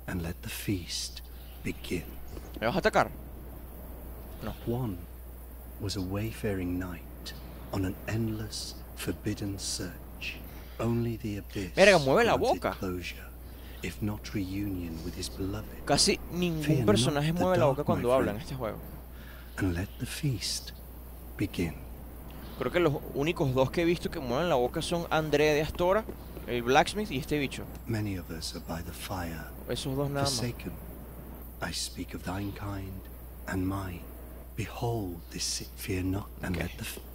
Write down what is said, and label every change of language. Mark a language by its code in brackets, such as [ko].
[en] And let the feast begin. [es] ¿Me vas a atacar? No. [en] One was a wayfaring knight on an endless, forbidden search. Only the abyss. [es] Verga, mueve la boca. [en] If not reunion with his beloved. [es] Casi ningún personaje mueve la boca cuando habla en este juego. [en] And let the feast begin. [es] Creo que los únicos dos que he visto que mueven la boca son André de Astora, el blacksmith, y este bicho. [en] Many of us are by the fire. [es] Esos dos nada más. [en] Forsaken. I speak of thine kind and mine. Behold this, fear not, and let the.